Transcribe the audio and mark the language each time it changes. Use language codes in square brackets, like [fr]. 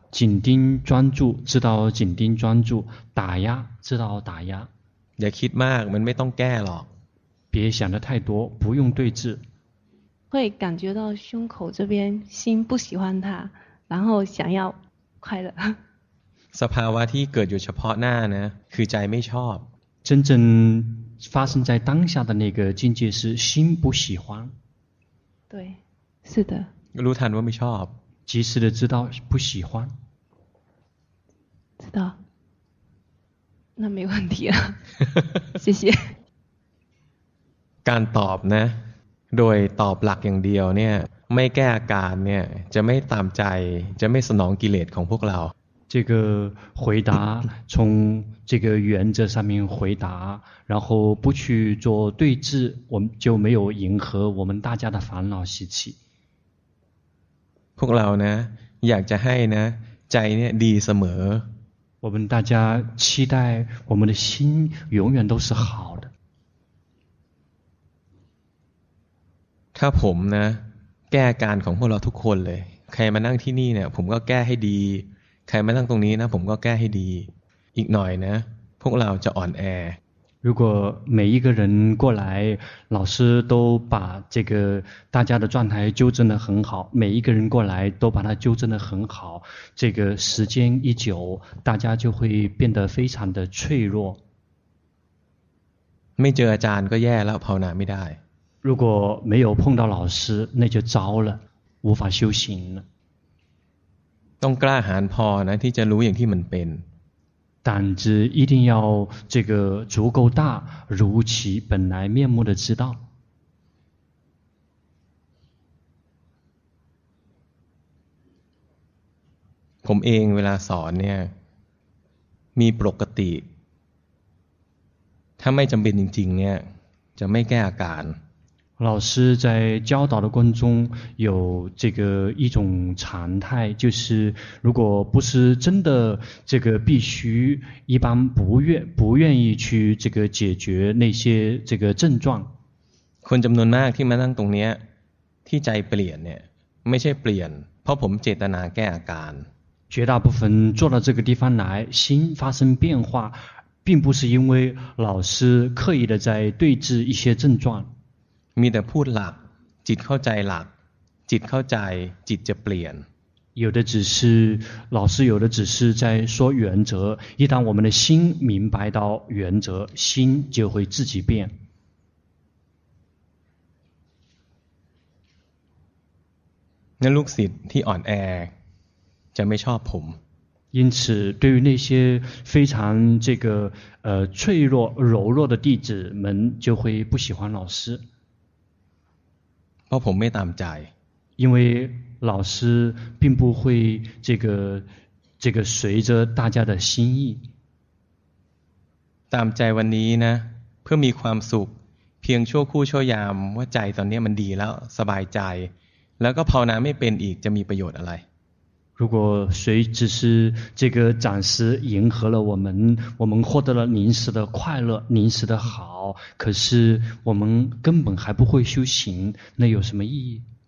[zh] 紧盯专注知道紧盯专注打压知道打压 [th] อย่าคิดมากมันไม่ต้องแก้หรอก [zh] 别想得太多不用对治会感觉到胸口这边心不喜欢它然后想要快乐 [th] สภาวะที่เกิดอยู่เฉพาะหน้านะคือใจไม่ชอบ [zh] 真正发生在当下的那个境界是心不喜欢对是的 [th] รู้ทันว่าไม่ชอบ [zh] 及时的知道不喜欢知道那没问题了谢谢 [th] การตอบนะโดยตอบหลักอย่างเดียวเนี่ยไม่แก้อาการเนี่ยจะไม่ตามใจจะไม่สนองกิเลสของพวกเรา [zh] 这个回答从这个原则上面回答然后不去做对峙我们就没有迎合我们大家的烦恼习气 [th] พวกเรานะอยากจะให้นะใจเนี่ยดีเสมอ [zh] 我们大家期待我们的心永远都是好的 [th] ถ้าผมนะแก้การของพวกเราทุกคนเลยใครมานั่งที่นี่เนี่ยผมก็แก้ให้ดีใครมานั่งตรงนี้นะผมก็แก้ให้ดีอีกหน่อยนะพวกเราจะอ่อนแอ [zh] 如果每一个人过来老师都把这个大家的状态纠正得很好每一个人过来都把它纠正得很好这个时间一久大家就会变得非常的脆弱 [th] ไม่เจออาจารย์ก็แย่แล้วภาวนาไม่ได้ [zh] 如果没有碰到老师那就糟了无法修行 [th] ต้องกล้าหาญพอนะที่จะรู้อย่างที่มันเป็น [zh] 胆子一定要这个足够大如其本来面目的知道 [th] ผมเองเวลาสอนเนี่ยมีปกติถ้าไม่จำเป็นจริงๆเนี่ยจะไม่แก้อาการ [zh] 老师在教导的过程中有这个一种常态就是如果不是真的这个必须一般不愿意去这个解决那些这个症状 [th] คนจำนวนมากที่มานั่งตรงนี้ที่ใจเปลี่ยนเนี่ยไม่ใช่เปลี่ยนเพราะผมเจตนาแก้อาการ [zh] 绝大部分坐到这个地方来心发生变化并不是因为老师刻意的在对治一些症状 [th] มีแต่พูดหลักจิตเข้าใจหลักจิตเข้าใจจิตจะเปลี่ยน [zh] 有的只是老师有的只是在说原则一旦我们的心明白到原则心就会自己变 [th] นั่นลูกศิษย์ที่อ่อนแอจะไม่ชอบผม [zh] 因此对于那些非常这个脆弱柔弱的弟子们就会不喜欢老师 [th] เพราะผมไม่ตามใจ [zh] 因为老师并不会这个随着大家的心意 [th] ตามใจวันนี้นะเพื่อมีความสุขเพียงชั่วครู่ชั่วยามว่าใจตอนนี้มันดีแล้วสบายใจแล้วก็ภาวนาไม่เป็นอีกจะมีประโยชน์อะไร [zh] 如果谁只是这个暂时迎合了我们获得了临时的快乐临时的好可是我们根本还不会修行那有什么意义